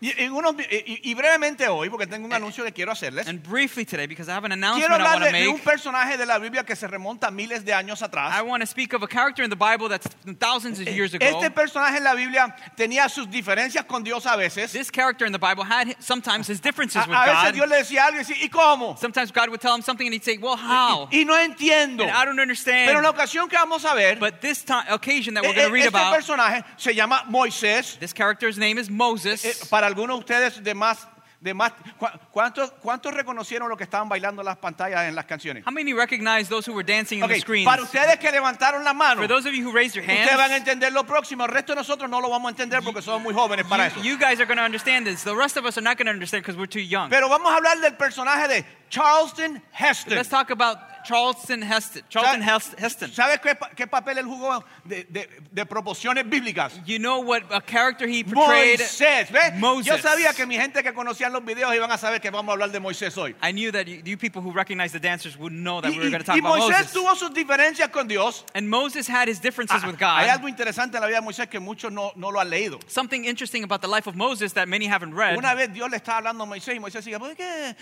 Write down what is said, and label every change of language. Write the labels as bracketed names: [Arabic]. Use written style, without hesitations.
[Spanish] Y brevemente hoy, porque tengo un anuncio que quiero hacerles. [English] And briefly today, because I have an announcement I want to make. [Spanish] Quiero hablar de un personaje de la Biblia que se remonta miles de años atrás. [English] I want to speak of a character in the Bible that's thousands of years ago. [Spanish] Este personaje en la Biblia tenía sus diferencias con Dios a veces. [English] This character in the Bible had sometimes his differences with God. [Spanish] A veces Dios le decía algo y decía, ¿y cómo? [English] Sometimes God would tell him something and he'd say, well, how? [Spanish] Y no entiendo. [English] And I don't understand. [Spanish] Pero en la ocasión que vamos [English] But this occasion that we're going to read [Spanish] este [English] about, [Spanish] personaje se llama Moisés. [English] This character's name is Moses. [Spanish] Para algunos de ustedes de más, ¿cuántos reconocieron lo que estaban bailando las pantallas en las canciones? [English] How many recognize those who were dancing okay, in the screens? [Spanish] Para ustedes que levantaron la mano, [English] for those of you who raised your hands, [Spanish] ustedes van a entender lo próximo. El resto de nosotros no lo vamos a entender porque somos muy jóvenes para eso. [English] You guys are going to understand this. The rest of us are not going to understand because we're too young. [Spanish] Pero vamos a hablar del personaje de Charlton Heston. [English] Let's talk about Charlton Heston. [Spanish] ¿Sabes qué papel él jugó de proporciones bíblicas? [English] You know what a character he portrayed? [Spanish] Moisés, [English] Moses. [Spanish] Yo sabía que mi gente que conocían los videos iban a saber que vamos a hablar de Moisés hoy. [English] I knew that you people who recognize the dancers would know that we were going to talk [Spanish] y [English] about Moses. [Spanish] Y Moisés tuvo sus diferencias con Dios. [English] And Moses had his differences with God. [Spanish] Hay algo interesante en la vida de Moisés que muchos no lo han leído. [English] Something interesting about the life of Moses that many haven't read. [Spanish] Una vez Dios le estaba hablando a Moisés y Moisés decía, ¿por qué?